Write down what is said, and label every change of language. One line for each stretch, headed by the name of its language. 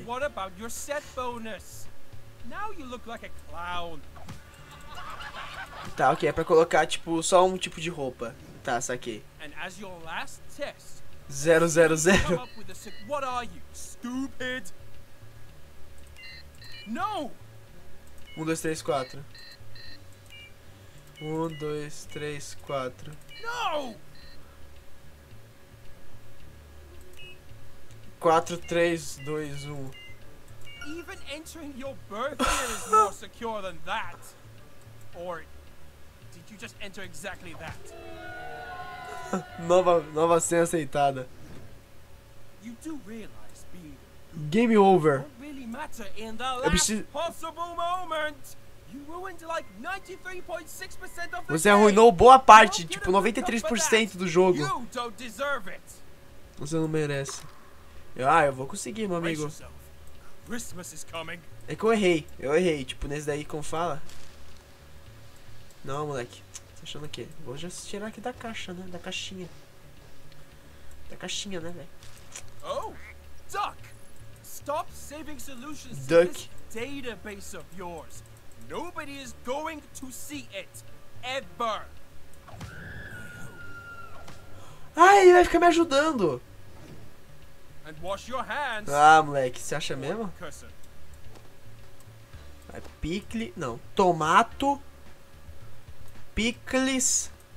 English: But what about your set bonus? Now you look like a clown.
Portuguese: Tá, ok, é pra colocar tipo só um tipo de roupa. Tá, saquei.
English: And as your last test. 000. What are you, stupid? No! 1, 2, 3, 4. 1, 2, 3, 4. No! 4, 3, 2, 1. Even entering your birth year is more secure than that. Or did you just enter exactly that?
Portuguese: nova senha aceitada.
English: You do realize being game over. Won't really matter in the last possible moment. You ruined like 93.6% of the
Portuguese: game. Você arruinou boa parte, tipo 93% do jogo.
English: You don't deserve it.
Portuguese: Você não merece. Ah, eu vou conseguir, meu amigo.
English: Christmas is coming.
Portuguese: É que eu errei, tipo, nesse daí como fala. Não, moleque. Tô achando o quê? Vou já tirar aqui da caixa, né? Da caixinha. Da caixinha, né, velho?
English: Oh! Duck! Stop saving solutions to this database of yours! Nobody is going to see it ever.
Portuguese: Ai, ele vai ficar me ajudando.
English: And wash your hands.
Portuguese: Ah, moleque, você acha mesmo? Vai
English: Pickle. Não. Tomato. Pickles.